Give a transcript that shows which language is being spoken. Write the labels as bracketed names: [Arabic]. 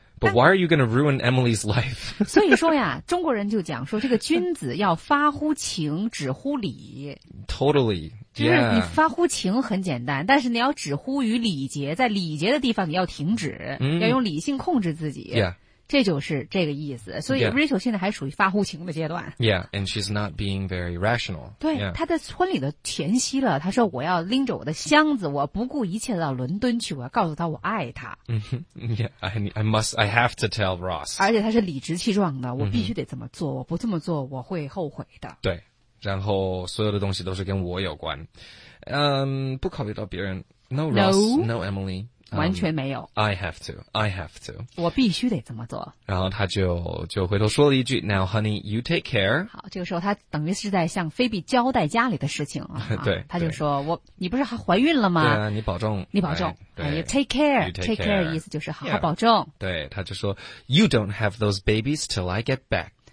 [English] But why are you going to ruin Emily's life? [Chinese] 所以说呀，中国人就讲说，这个君子要发乎情，止乎礼。 [English] Totally. [Chinese] 就是你发乎情很简单，但是你要止乎于礼节，在礼节的地方你要停止，要用理性控制自己。 [English] Yeah. [Chinese] 这就是这个意思。所以 Rachel 现在还属于发乎情的阶段。 [English] Yeah, and she's not being very rational. [Chinese] 对，她在婚礼的前夕了，她说我要拎着我的箱子，我不顾一切到伦敦去，我要告诉她我爱她。 [English] Yeah, I have to tell Ross. [Chinese] 而且她是理直气壮的，我必须得这么做，我不这么做我会后悔的。对，然后所有的东西都是跟我有关。不考虑到别人。 [English] No, Ross, no Emily. [Chinese] 完全没有。 [English] I have to. [Chinese] 我必须得这么做。然后他就回头说了一句 , [English] Now, honey, you take care. [Chinese] 好，这个时候他等于是在向菲比交代家里的事情。对。他就说我你不是还怀孕了吗？对啊，你保重。你保重。对。 [English] You take care. You take care. [Chinese] 意思就是好好保重。 [English] Yeah. [Chinese] 对，他就说 , [English] You don't have those babies till I get back.